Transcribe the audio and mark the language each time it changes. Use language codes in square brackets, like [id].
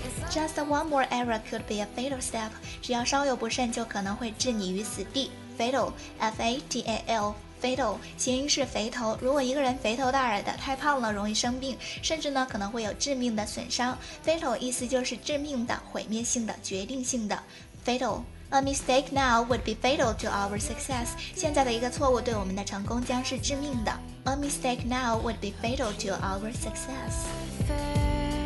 [en] Just one more error could be a fatal step. [zh] 只要稍有不慎就可能会置你于死地。 Fatal, F-A-T-A-L, fatal, 谐音是肥头。如果一个人肥头大耳的，太胖了容易生病，甚至呢可能会有致命的损伤。 Fatal 意思就是致命的、毁灭性的、决定性的。 [en] Fatal, a mistake now would be fatal to our success. [zh] 现在的一个错误对我们的成功将是致命的。 [en] A mistake now would be fatal to our success.